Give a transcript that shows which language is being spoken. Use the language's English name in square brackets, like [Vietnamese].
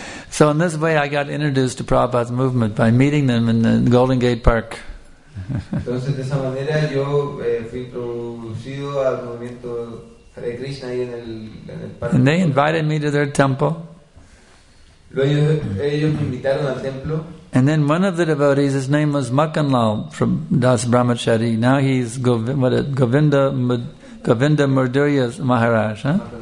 [English] So in this way I got introduced to Prabhupada's movement by meeting them in the Golden Gate Park. [Spanish] Entonces de esa manera yo fui introducido al movimiento Hare Krishna ahí en el [English] parque. And they invited me to their temple. [Spanish] Luego ellos me invitaron al templo. [English] And then one of the devotees, his name was Makanlal from Das Brahmachari. Now he's Govinda Murdurya Maharaj. Huh?